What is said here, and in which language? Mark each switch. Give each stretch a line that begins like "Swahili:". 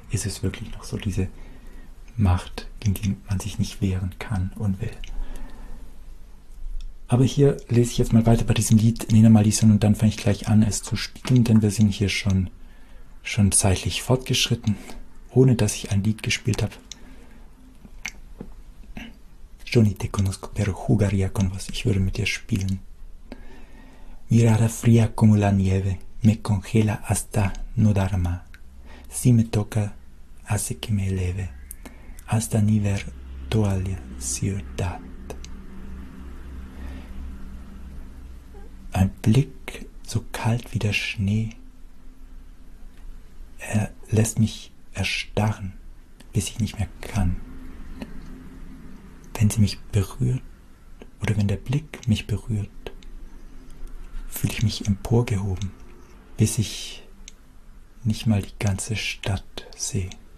German: Ist es wirklich noch so, diese Macht, gegen die man sich nicht wehren kann und will? Aber hier lese ich jetzt mal weiter bei diesem Lied Nena Maldición und dann fange ich gleich an, es zu spielen, denn wir sind hier schon zeitlich fortgeschritten, ohne dass ich ein Lied gespielt habe.
Spanish: Yo ni te conozco, pero jugaría con vos.
German: Ich würde mit dir spielen.
Spanish: Mirada fría como la nieve, me congela hasta no dar más. Si me toca, hace que me eleve, hasta ni ver toda la ciudad.
German: Ein Blick so kalt wie der Schnee, er lässt mich erstarren, bis ich nicht mehr kann. Wenn sie mich berührt oder wenn der Blick mich berührt, fühle ich mich emporgehoben, bis ich nicht mal die ganze Stadt sehe.